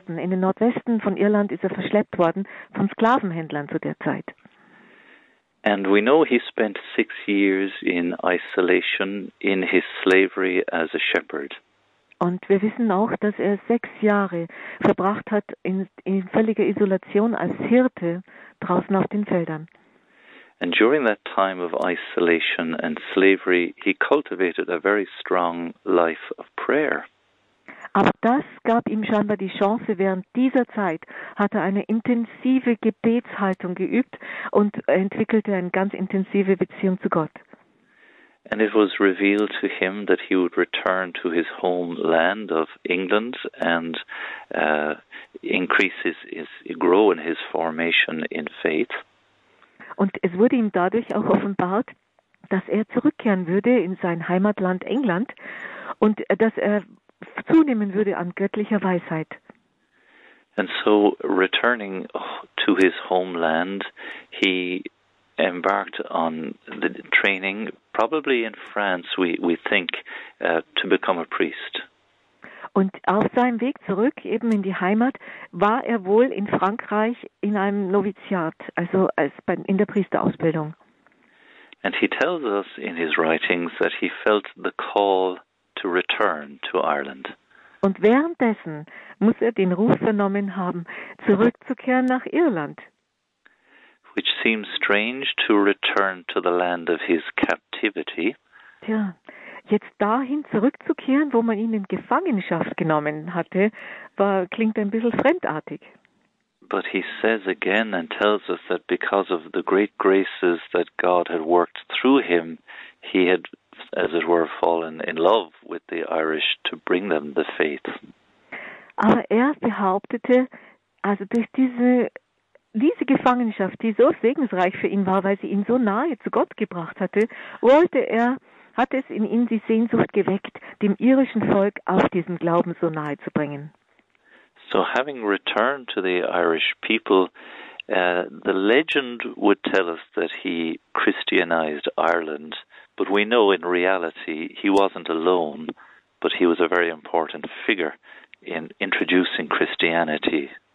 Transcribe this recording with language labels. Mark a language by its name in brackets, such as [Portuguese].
[German] In den Nordwesten von Irland ist er verschleppt worden von Sklavenhändlern zu der Zeit. [English] And we know he spent 6 years in isolation in his slavery as a shepherd. [German] Und wir wissen auch, dass er 6 Jahre verbracht hat in völliger Isolation als Hirte draußen auf den Feldern. [English] And during that time of isolation and slavery, he cultivated a very strong life of prayer. [German] Aber das gab ihm scheinbar die Chance, während dieser Zeit hat er eine intensive Gebetshaltung geübt und entwickelte eine ganz intensive Beziehung zu Gott. [English] And it was revealed to him that he would return to his homeland of England and increase grow in his formation in faith. [German] Und es wurde ihm dadurch auch offenbart, dass er zurückkehren würde in sein Heimatland England und dass er zunehmen würde an göttlicher Weisheit. [English] And so returning to his homeland, he embarked on the training, probably in France, we think, to become a priest. [German] Und auf seinem Weg zurück, eben in die Heimat, war er wohl in Frankreich in einem Noviziat, also in der Priesterausbildung. [English] And he tells us in his writings that he felt the call to return to Ireland. [German] Und währenddessen muss er den Ruf vernommen haben, zurückzukehren nach Irland. [English] Which seems strange to return to the land of his captivity. [German] Tja, jetzt dahin zurückzukehren, wo man ihn in Gefangenschaft genommen hatte, klingt ein bisschen fremdartig. [English] But he says again and tells us that because of the great graces that God had worked through him, he had, as it were, fallen in love with the Irish to bring them the faith. [German] Aber er behauptete, also durch diese Gefangenschaft, die so segensreich für ihn war, weil sie ihn so nahe zu Gott gebracht hatte, hat es in ihm die Sehnsucht geweckt, dem irischen Volk auch diesen Glauben so nahe zu bringen. [English] So having returned to the Irish people, the legend would tell us that he Christianized Ireland, but we know in reality he wasn't alone, but he was a very important figure in introducing Christianity.